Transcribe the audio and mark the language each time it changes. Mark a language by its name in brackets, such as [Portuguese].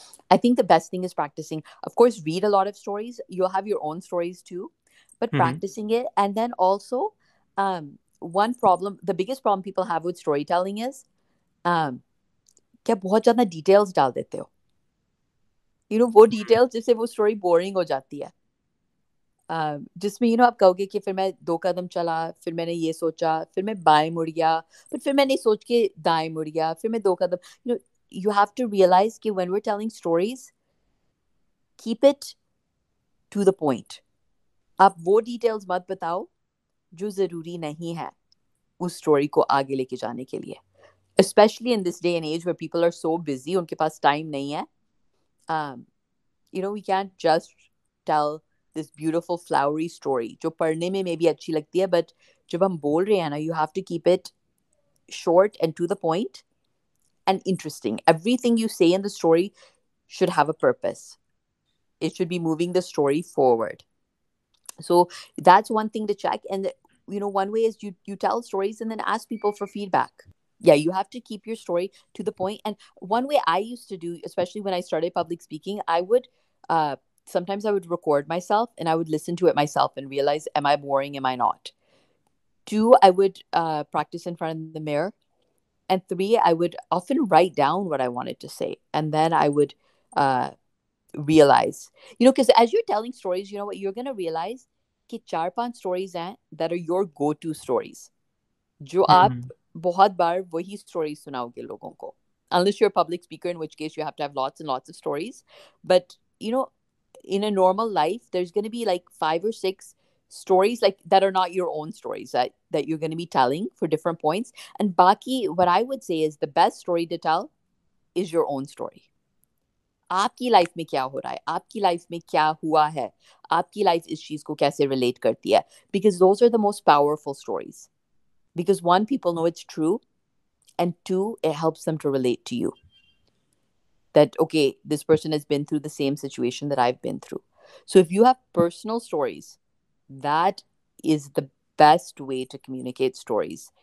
[English] I think the best thing is practicing. Of course, read a lot of stories. You'll have your own stories too, but practicing it. And then also, one problem, the biggest problem people have with storytelling is [Hindi] क्या बहुत ज्यादा details डाल देते हो. वो details जिससे वो story boring हो जाती है. जिसमें आप कहोगे कि फिर मैं दो कदम चला, फिर मैंने ये सोचा, फिर मैं बाएं मुड़ गया, पर फिर मैंने सोच के दाएं मुड़ गया, फिर मैं दो कदम. [English] You have to realize कि when we telling stories keep it to the point. [Hindi] आप वो डिटेल्स मत बताओ जो जरूरी नहीं है उस स्टोरी को आगे लेके जाने के लिए. [English] specially in this day and age where people are so busy, [Hindi] उनके पास टाइम नहीं है. [English] we can just tell this beautiful flowery story [Hindi] जो पढ़ने में मे भी अच्छी लगती है, [English] but [Hindi] जब हम बोल रहे हैं ना, [English] You have to keep it short and to the point and interesting. Everything you say in the story should have a purpose. It should be moving the story forward. So that's one thing to check. And one way is you tell stories and then ask people for feedback. Yeah, you have to keep your story to the point. And one way I used to do, especially when I started public speaking, sometimes I would record myself and I would listen to it myself and realize, am I boring? Am I not? Two, I would practice in front of the mirror. And three, I would often write down what I wanted to say. And then I would realize, because as you're telling stories, you know what? You're going to realize [Hindi] ki char panch stories hain [English] that are your go-to stories. [Hindi] Jo aap बहुत बार वही story सुनाओगे लोगों को, [English] Unless you are public speaker, in which case you have to have lots and lots of stories. But in a normal life there is gonna be like five or six stories like that are not your own stories that you are gonna be telling for different points. And बाकी what I would say is the best story to tell is your own story. [Hindi] आपकी life में क्या हो रहा है, आपकी life में क्या हुआ है, आपकी लाइफ इस चीज को कैसे रिलेट करती है, [English] Because those are the most powerful stories. Because one, people know it's true, and two, it helps them to relate to you. That, okay, this person has been through the same situation that I've been through. So if you have personal stories, that is the best way to communicate stories.